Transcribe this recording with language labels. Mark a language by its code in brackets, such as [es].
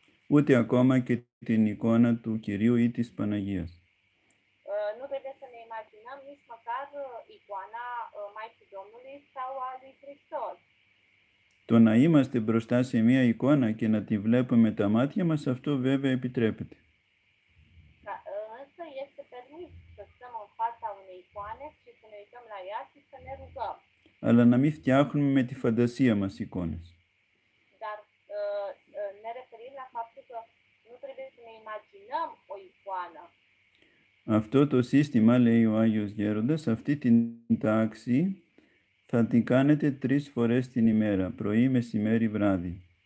[el] Ούτε ακόμα και την εικόνα του Κυρίου ή της Παναγίας. [ro] Nu trebuie să ne imaginăm nici măcar icoana Maicii Domnului sau a lui Hristos. [el] Το να είμαστε μπροστά σε μία εικόνα και να τη βλέπουμε τα μάτια μας, αυτό βέβαια επιτρέπεται. [ro] Însă este permis să stăm în fața unei εικόνε και să ne uităm la ea και să ne rugăm. [el] Αλλά να μην φτιάχνουμε με τη φαντασία μας εικόνες. [ro] Dar ne referim la faptul că nu trebuie să ne imaginăm o εικόνα. [el] Αυτό το σύστημα, λέει ο Άγιος Γέροντας, αυτή την τάξη θα την κάνετε τρεις φορές την ημέρα, πρωί, μεσημέρι, βράδυ.